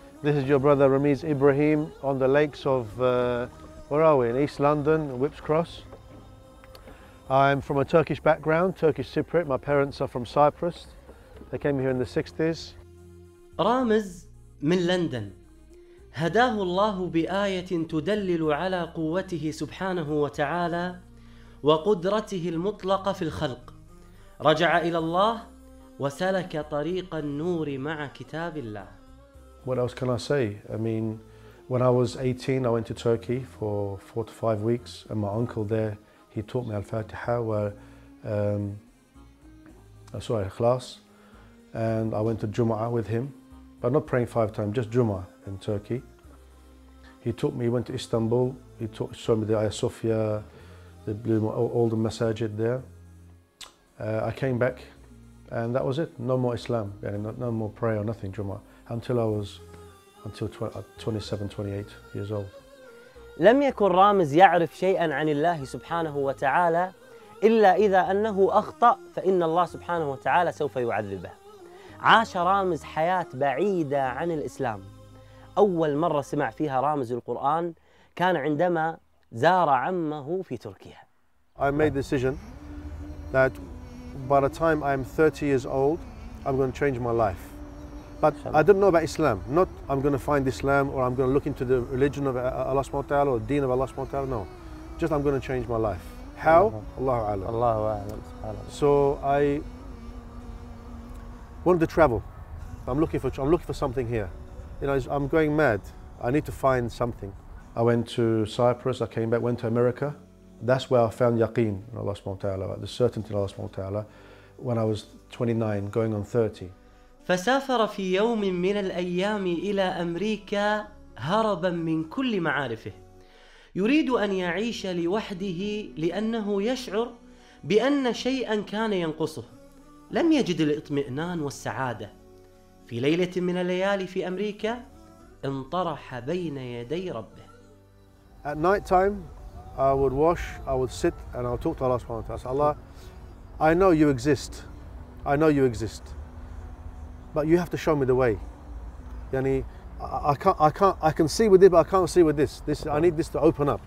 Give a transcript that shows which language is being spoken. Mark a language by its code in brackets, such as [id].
[en] This is your brother Ramiz Ibrahim on the lakes of, where are we? In East London, Whips Cross. I'm from a Turkish background, Turkish Cypriot. My parents are from Cyprus. They came here in the 60s. [ar] Ramiz من لندن. هداه الله بآية تدلل على قوته سبحانه وتعالى وقدرته المطلقة في الخلق. رجع إلى الله وسلك طريق النور مع كتاب الله. [en] What else can I say? I mean, when I was 18, I went to Turkey for 4 to 5 weeks, and my uncle there, he taught me Al-Fatiha, Ikhlas, and I went to Jumu'ah with him, but not praying 5 times, just Jumu'ah in Turkey. He taught me, he went to Istanbul, he showed me the Hagia Sophia, all the masajid there. I came back. And that was it. No more Islam, yani no more prayer, nothing, Jumu'ah, until 27, 28 years old. [ar] لم يكن رامز يعرف شيئا عن الله سبحانه وتعالى إلا إذا أنه أخطأ فإن الله سبحانه وتعالى سوف يعذبه. عاش رامز حياة بعيدة عن الإسلام. أول مرة سمع فيها رامز القرآن كان عندما زار عمه في تركيا. [en] I made decision that by the time I'm 30 years old, I'm going to change my life. But I didn't know about Islam. Not I'm going to find Islam or I'm going to look into the religion of Allah subhanahu wa ta'ala or the deen of Allah subhanahu wa ta'ala. No. Just I'm going to change my life. How? [ar] Allahu a'lam. Allahu a'lam. [en] So I wanted to travel. I'm looking for something here. You know, I'm going mad. I need to find something. I went to Cyprus. I came back, went to America. That's where I found yaqeen in Allah subhanahu wa ta'ala, the certainty in Allah subhanahu wa ta'ala, when I was 29, going on 30. [ar] فسافر في يوم من الأيام إلى أمريكا هربا من كل معارفه. يريد أن يعيش لوحده لأنه يشعر بأن شيئا كان ينقصه. لم يجد الإطمئنان والسعادة. في ليلة من الليالي في أمريكا انطرح بين يدي ربه. [en] At night time, I would wash, I would sit, and I would talk to Allah subhanahu wa ta'ala. Allah, I know you exist. I know you exist. But you have to show me the way. Yani, I can see with it, but I can't see with this. This, I need this to open up.